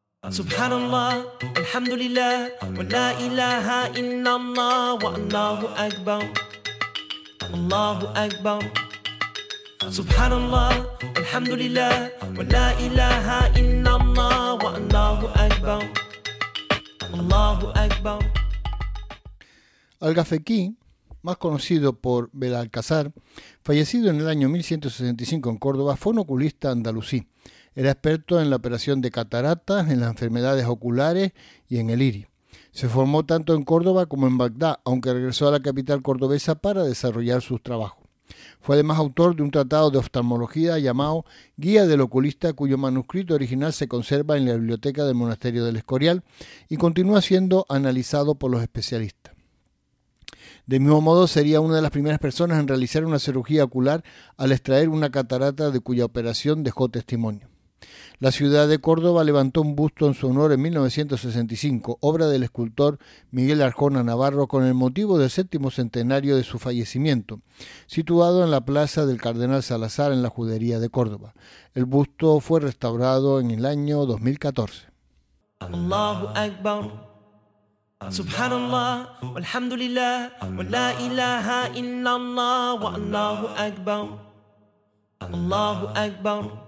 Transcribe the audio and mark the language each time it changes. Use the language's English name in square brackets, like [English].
[Arabic] سبحان الله الحمد لله ولا إله إلا الله والله أكبر الله أكبر سبحان الله الحمد لله ولا إله إلا الله والله أكبر الله أكبر [Spanish] Al-Ghafiqi, más conocido por Belalcázar, fallecido en el año 1165 en Córdoba, fue un oculista andalusí. Era experto en la operación de cataratas, en las enfermedades oculares y en el iris. Se formó tanto en Córdoba como en Bagdad, aunque regresó a la capital cordobesa para desarrollar sus trabajos. Fue además autor de un tratado de oftalmología llamado Guía del Oculista, cuyo manuscrito original se conserva en la biblioteca del Monasterio del Escorial y continúa siendo analizado por los especialistas. De mismo modo, sería una de las primeras personas en realizar una cirugía ocular al extraer una catarata de cuya operación dejó testimonio. La ciudad de Córdoba levantó un busto en su honor en 1965, obra del escultor Miguel Arjona Navarro, con el motivo del séptimo centenario de su fallecimiento, situado en la Plaza del Cardenal Salazar en la Judería de Córdoba. El busto fue restaurado en el año 2014. [Arabic] Allahu Akbar. سبحان الله والحمد لله ولا إله إلا الله والله أكبر الله أكبر